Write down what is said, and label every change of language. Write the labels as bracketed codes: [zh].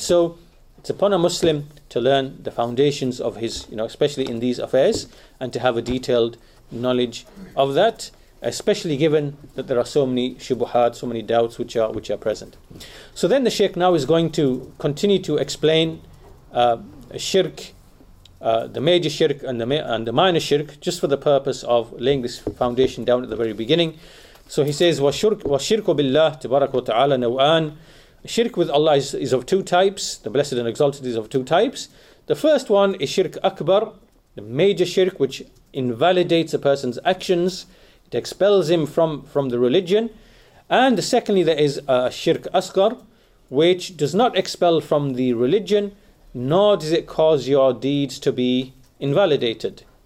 [en] So, it's upon a Muslim to learn the foundations of his, you know, especially in these affairs, and to have a detailed knowledge of that, especially given that there are so many shubuhat, so many doubts which are present. So then the Shaykh now is going to continue to explain shirk, the major shirk and the minor shirk, just for the purpose of laying this foundation down at the very beginning. So he says, [ar] وَشِرْكُ بِاللَّهِ تَبَارَكُ وَتَعَالَى نَوْآنَ. [en] Shirk with Allah is of two types. The blessed and exalted is of two types. The first one is shirk akbar, the major shirk which invalidates a person's actions. It expels him from the religion. And secondly, there is a shirk asgar, which does not expel from the religion, nor does it cause your deeds to be invalidated.